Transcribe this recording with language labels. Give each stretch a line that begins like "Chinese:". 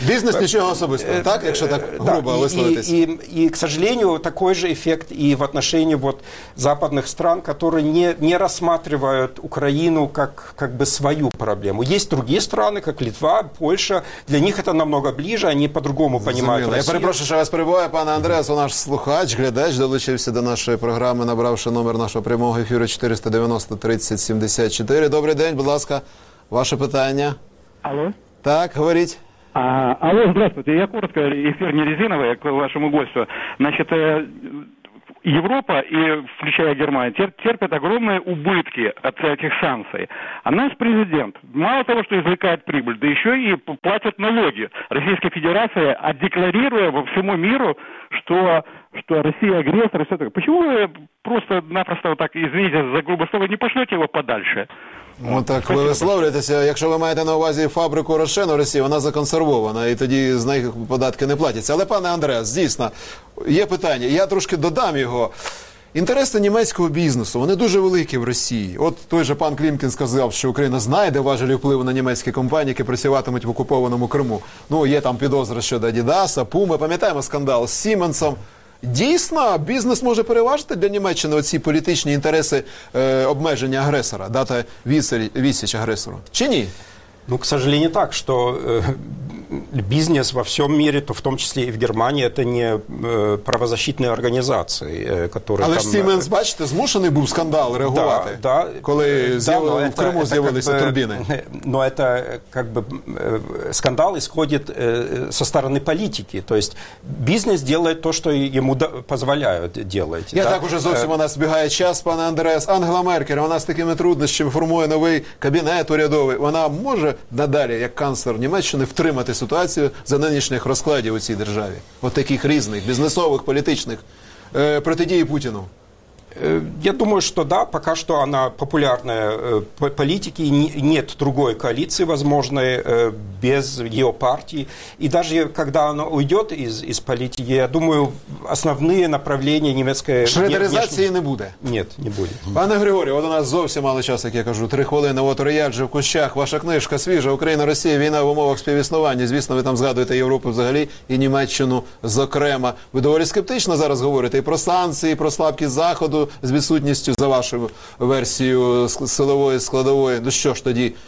Russian: Бизнес ничего особенного, так, если так грубо высловитесь? И, к сожалению, такой же эффект и в отношении вот западных стран, которые не рассматривают Украину как бы свою проблему. Есть другие страны, как Литва, Польша, для них это намного ближе, они по-другому понимают Россию.
Ukrainian: Я перепрошу, що вас перебуваю, пане Андреас, у наш слухач, глядач, долучився до нашої програми, набравши номер нашого прямого ефіру 490-30-74. Добрий день, будь ласка, ваше питання. Алло. Так, говоріть.
Russian: Алло, здравствуйте. Я коротко, эфир не резиновый, к вашему гостю. Значит, Европа, и включая Германию, терпит огромные убытки от этих санкций. А наш президент мало того, что извлекает прибыль, да еще и платит налоги Российской Федерации, декларируя во всему миру, что Россия агрессор и все такое. Почему вы просто-напросто, вот так, извините за грубое слово, не пошлете его подальше?
Ukrainian: Ну, так ви висловлюєтеся. Якщо ви маєте на увазі фабрику Рошен у Росії, вона законсервована, і тоді з них податки не платяться. Але, пане Андреас, дійсно, є питання. Я трошки додам його. Інтереси німецького бізнесу, вони дуже великі в Росії. От той же пан Клімкін сказав, що Україна знайде важелі впливу на німецькі компанії, які працюватимуть в окупованому Криму. Ну, є там підозри щодо Адідаса, Пуми. Пам'ятаємо скандал з Сіменсом. Дійсно, бізнес може переважити для Німеччини оці політичні інтереси обмеження агресора, дати відсіч агресору, чи ні?
Russian: Ну, к сожалению, так, что бизнес во всем мире, то в том числе и в Германии, это не правозащитные организации, которые...
Ukrainian: Але там... Сименс, бачите, змушений був скандал реагувати,
Russian: да,
Ukrainian: коли в Криму з'явилися турбіни.
Russian: Но это как бы скандал исходит со стороны политики, то есть бизнес делает то, что ему позволяют делать.
Ukrainian: Я так уже зовсім у нас збігає час, пане Андреас. Ангела Меркель, вона з такими труднощами формує новий кабінет урядовий, вона може надалі, як канцлер Німеччини, втримати ситуацію за нинішніх розкладів у цій державі? От таких різних, бізнесових, політичних, протидії Путіну?
Russian: Я думаю, что да, пока что она популярная политики, нет другой коалиции возможной без ее партии. И даже когда она уйдет из политики, я думаю, основные направления немецкой... Шредеризации не будет? Нет, не будет.
Ukrainian: Пане Григорію, вот у нас зовсім мало часу, як я кажу, 3 хвилини. Вот рояль же в кущах, ваша книжка свіжа, «Україна, Росія, війна в умовах співіснування». Звісно, ви там згадуєте Європу взагалі і Німеччину зокрема. Ви доволі скептично зараз говорите і про санкції, і про слабкі заходу з відсутністю, за вашою версією, силової складової. Ну що ж тоді?